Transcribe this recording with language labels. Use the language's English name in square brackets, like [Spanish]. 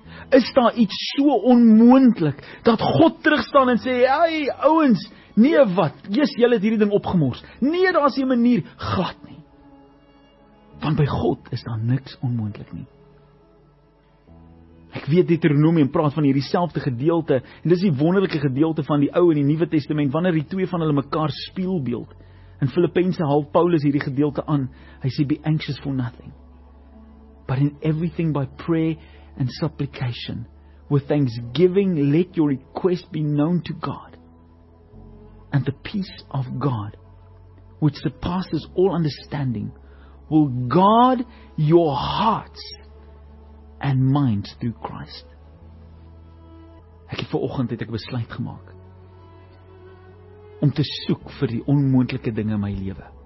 [Afrikaans] Is daar iets so onmoontlik dat God terugstaan en sê, hey, ouens, nee wat, jy's julle hierdie ding opgemors. Nee, daar is 'n manier glad nie. Want by God is daar niks onmoontlik nie. Ek weet Deuteronomium praat van hierdie selfde gedeelte, en dis die wonderlike gedeelte van die ou en die nuwe testament, wanneer die twee van hulle mekaar spieelbeeld. [English] In Filippense haal Paulus hierdie gedeelte aan, hy sê, be anxious for nothing, but in everything by prayer and supplication, with thanksgiving, let your request be known to God, and the peace of God, which surpasses all understanding, will guard your hearts and minds through Christ. [Afrikaans] Ek het vanoggend het ek besluit gemaak om te soek vir die onmoontlike dinge in my lewe.